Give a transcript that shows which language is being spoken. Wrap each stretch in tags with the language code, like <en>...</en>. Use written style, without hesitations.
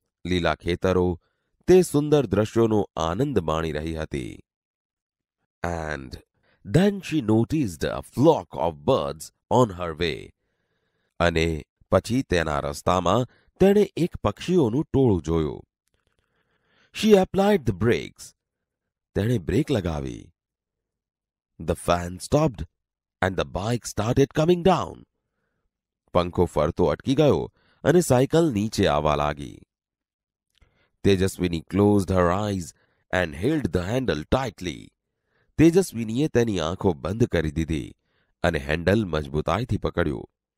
<gu>લીલા ખેતરો તે સુંદર દ્રશ્યોનો આનંદ માણી રહી હતી.</gu> <en>And then she noticed a flock of birds on her way.</en> <gu>અને પછી તેના રસ્તામાં તેણે એક પક્ષીઓનું ટોળું જોયું.</gu> <en>She applied the brakes.</en> <gu>તેણે બ્રેક લગાવી.</gu> <en>The fan stopped and the bike started coming down.</en> <gu>પંખો ફરતો અટકી ગયો અને સાયકલ નીચે આવવા લાગી.</gu> <en>Tejaswini closed her eyes and held the handle tightly.</en> <gu>તેજસ્વીનીએ તેની આંખો બંધ કરી દીધી અને હેન્ડલ મજબૂતાઈથી પકડ્યું.</gu>